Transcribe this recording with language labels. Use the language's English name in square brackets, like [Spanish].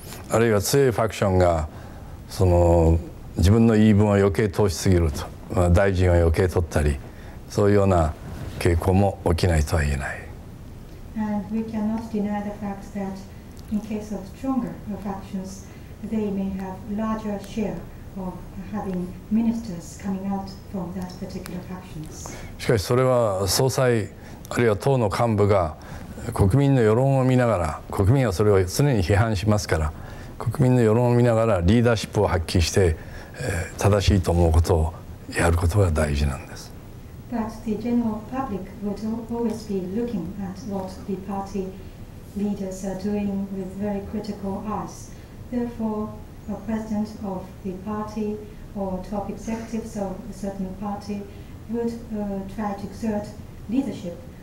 [Japanese] あるいは強いファクションがその自分の言い分を余計通しすぎると、まあ、大臣を余計取ったり、そういうような傾向も起きないとは言えない。 [English] And we cannot deny the fact that in case of stronger factions, they may have larger share of having ministers coming out from that particular factions. [Japanese] しかしそれは総裁あるいは党の幹部が国民の世論を見ながら、国民はそれを常に批判しますから、国民の世論を見ながらリーダーシップを発揮して、正しいと思うことをやることが大事なんです。 [English] But the general public would always be looking at what the party leaders are doing with very critical eyes. Therefore, a president of the party or top executives of a certain party would try to exert leadership